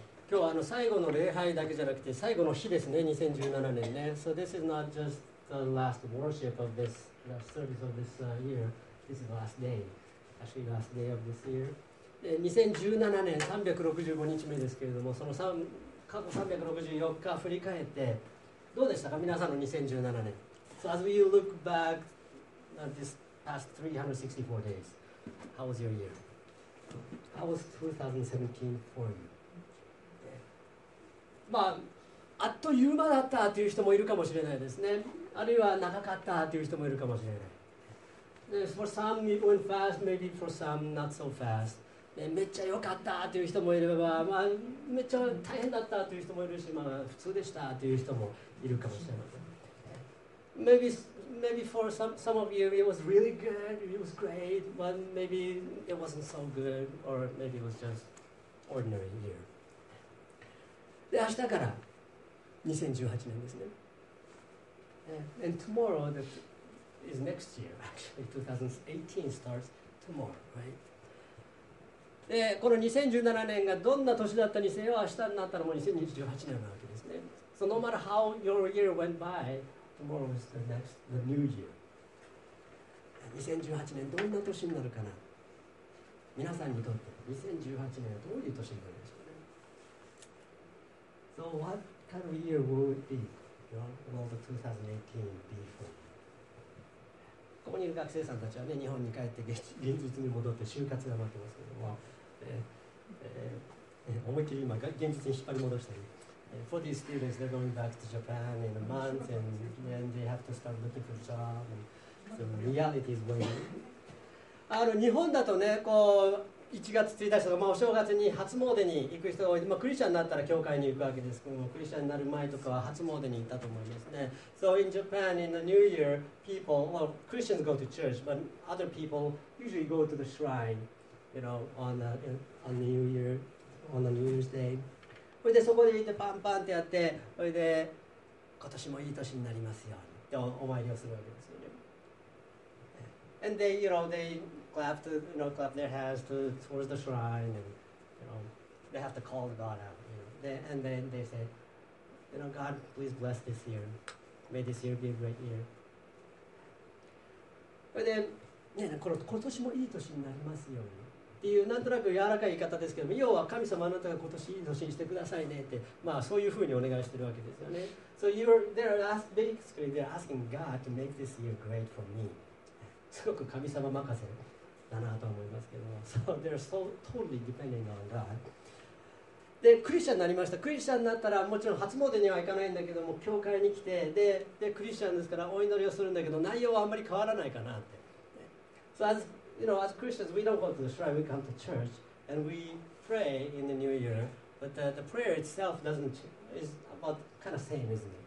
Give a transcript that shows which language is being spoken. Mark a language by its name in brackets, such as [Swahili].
[Japanese] 今日は最後の礼拝だけじゃなくて最後の日ですね、2017年ね。 [English] So this is not just the last worship of this, the service of this year. This is the last day. Actually, the last day of this year. [Japanese] で、2017年365日目ですけれども、その過去364日振り返って、どうでしたか、皆さんの2017年。 [English] So as we look back at this past 364 days, how was your year? How was 2017 for you? [Japanese] まあ、あっという間だったという人もいるかもしれないですね。あるいは長かったという人もいるかもしれない。 [English] で、for some it went fast, maybe for some not so fast. [Japanese] で、めっちゃ良かったという人もいれば、まあ、めっちゃ大変だったという人もいるし、まあ、普通でしたという人もいるかもしれません。 [English] Maybe for some of you it was really good, it was great, but maybe it wasn't so good, or maybe it was just ordinary year. [Japanese] で、明日から2018年ですね。 [English] And tomorrow is next year, actually. 2018 starts tomorrow, right? [Japanese] で、この2017年がどんな年だったにせよ、明日になったらもう2018年なわけですね。 [English] So no matter how your year went by, tomorrow is the new year. [Japanese] 2018年どんな年になるかな。皆さんにとって2018年はどういう年になるでしょう。 [English] So what kind of year will it be? Will the 2018 be for? [Japanese] ここにいる学生さんたちはね、日本に帰って現実に戻って就活が待ってますけども、思いっきり今現実に引っ張り戻したり、 [English] for these students, they're going back to Japan in a month, and then they have to start looking for a job. So reality is waiting. [Japanese] 日本だとね、こう。 1月1日とか、まあ、お正月に初詣に行く人が多い、まあ、クリスチャンになったら教会に行くわけですけども、クリスチャンになる前とかは初詣に行ったと思いますね。 [English] So in Japan, in the New Year, people, well, Christians go to church, but other people usually go to the shrine, you know, on New Year, on the New Year's Day. [Japanese] それでそこで行ってパンパンってやって、それで今年もいい年になりますようにってお参りをするわけですよね。 [English] And they, you know, theyclap to, you know, clap their hands to, towards the shrine, and, you know, they have to call God out, you know, and then they say, you know, God, please bless this year. May this year be a great year. And then, [Japanese] ね、この今年もいい年になりますようにっていう、なんとなく柔らかい言い方ですけども、要は神様あなたが今年いい年にしてくださいねって、まあそういうふうにお願いしてるわけですよね。 [English] So you're, they're basically, they're asking God to make this year great for me. [Japanese] すごく神様任せだなと思いますけども、 [English] So they're so totally depending on God. [Japanese] で、クリスチャンになりました。クリスチャンになったらもちろん初詣には行かないんだけども、教会に来て、でクリスチャンですからお祈りをするんだけど、内容はあんまり変わらないかなって。 [English] So as you know, as Christians, we don't go to the shrine. We come to church and we pray in the New Year. But the prayer itself doesn't is about kind of same, isn't it?